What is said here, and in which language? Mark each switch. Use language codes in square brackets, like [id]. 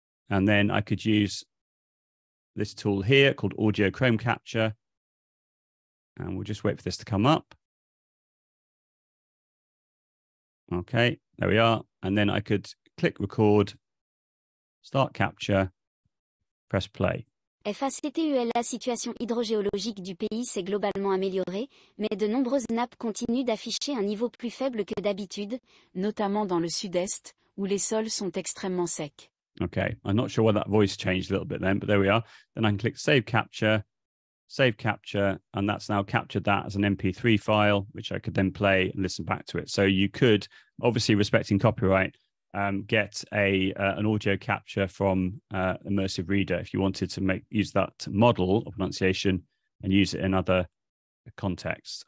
[en] And then I could use this tool here called Audio Chrome Capture. And we'll just wait for this to come up. Okay, there we are. And then I could click record, start capture, press play. [fr] FACTUL, la situation hydrogéologique du pays s'est globalement améliorée, mais de nombreuses nappes continuent d'afficher un niveau plus faible que d'habitude, notamment dans le sud-est, où les sols sont extrêmement secs. [en] Okay, I'm not sure why that voice changed a little bit then, but there we are. Then I can click save capture, and that's now captured that as an MP3 file, which I could then play and listen back to it. So you could, obviously respecting copyright, get an audio capture from Immersive Reader if you wanted to use that model of pronunciation and use it in other contexts.